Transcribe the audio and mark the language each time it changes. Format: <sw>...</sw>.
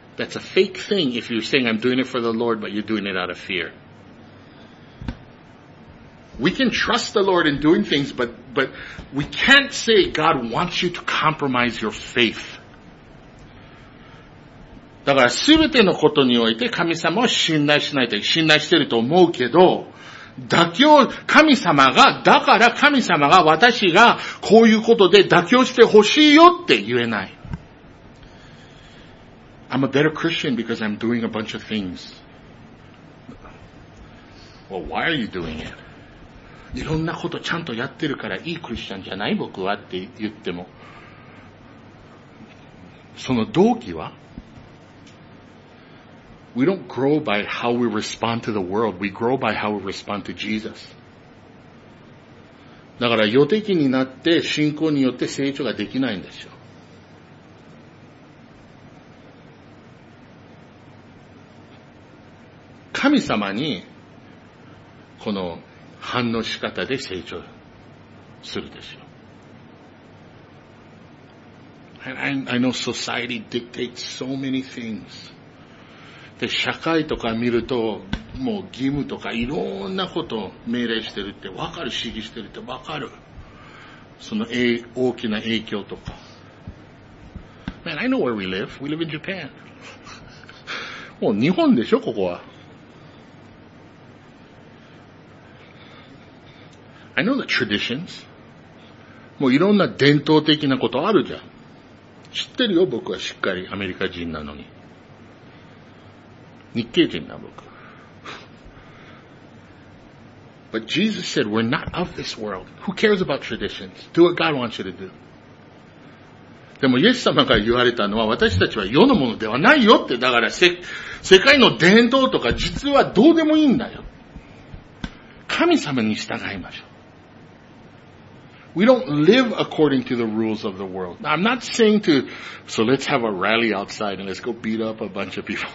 <en>That's a fake thing if you're saying I'm doing it for the Lord, but you're doing it out of fear. We can trust the Lord in doing things, but we can't say God wants you to compromise your faith.</en> <ja>だからすべてのことにおいて神様を信頼しないと、信頼してると思うけど、だから神様が私がこういうことで妥協してほしいよって言えない。</ja> <en>I'm a better Christian because I'm doing a bunch of things. Well, why are you doing it?</en> <ja>いろんなことちゃんとやってるからいいクリスチャンじゃない僕はって言っても、その動機は</ja> <en>？We don't grow by how we respond to the world. We grow by how we respond to Jesus.</en> <ja>だから予定になって信仰によって成長ができないんですよ。神様にこの反応し方で成長するでしょう。</ja> <en>And I know society dictates so many things.</en> <ja>で、社会とか見ると、もう義務とかいろんなことを命令してるって分かる、指示してるって分かる。その大きな影響とか。</ja> <en>Man, I know where we live. We live in Japan.</en> <ja>もう日本でしょ、ここは。 I know the traditions. もういろんな伝統的なことあるじゃん。知ってるよ、僕はしっかりアメリカ人なのに。日系人な、僕。</ja> <en>But Jesus said, we're not of this world. Who cares about traditions? Do what God wants you to do.</en> <ja>でも、イエス様が言われたのは、私たちは世のものではないよって。だから、世界の伝統とか実はどうでもいいんだよ。神様に従いましょう。</ja> <en>We don't live according to the rules of the world. Now, I'm not saying so let's have a rally outside and let's go beat up a bunch of people.</en>